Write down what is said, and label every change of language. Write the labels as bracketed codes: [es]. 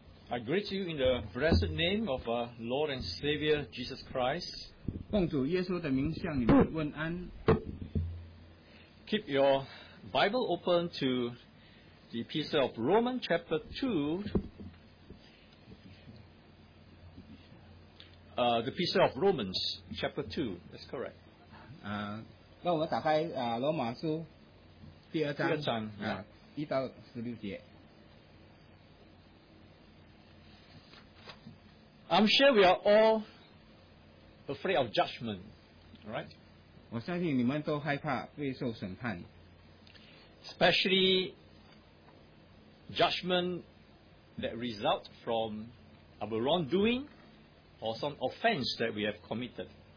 [en] I greet you in the blessed name of our Lord and Savior Jesus Christ. [zh] 奉主耶稣的名向你们问安。 [en] Keep your Bible open to the Epistle of Romans chapter 2. The Epistle of Romans chapter 2. That's correct. [zh] 让我们打开罗马书第二章，1到16节。 [en] I'm sure we are all afraid of judgment, right? [zh] 我相信你们都害怕被受审判, [en] especially judgment that results from our wrongdoing or some offense that we have committed.